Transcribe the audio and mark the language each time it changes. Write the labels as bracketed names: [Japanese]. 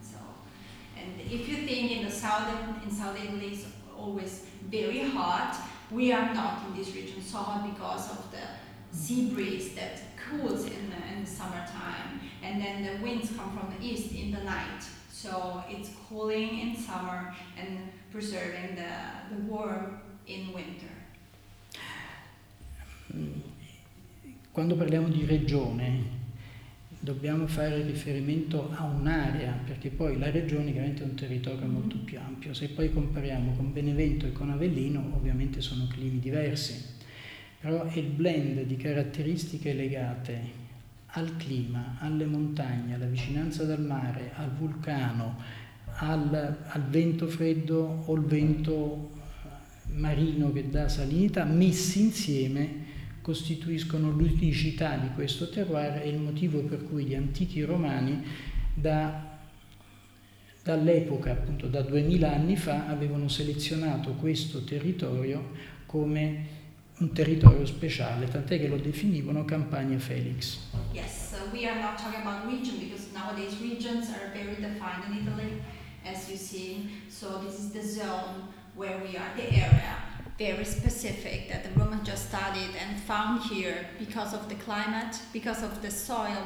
[English] So, and if you think in South Italy it's always very hot, we are not in this region so hot because of the sea breeze that cools in the summertime, and then the winds come from the east in the night, so it's cooling in summer and preserving the warm in winter. [Italian] Quando parliamo di regione dobbiamo fare riferimento a un'area, perché poi la regione chiaramente è un territorio molto più ampio. Se poi compariamo con Benevento e con Avellino, ovviamente sono climi diversi. Però è il blend di caratteristiche legate al clima, alle montagne, alla vicinanza dal mare, al vulcano, al vento freddo o il vento marino che dà salinità, messi insieme costituiscono l'unicità di questo terroir e il motivo per cui gli antichi romani dall'epoca, appunto da 2000 anni fa, avevano selezionato questo territorio come un territorio speciale, tant'è che lo definivano Campania Felix. [English] Yes, so we are not talking about region because nowadays regions are very defined in Italy, as you see. So this is the zone where we are, the area, very specific that the Romans just studied and found here because of the climate, because of the soil.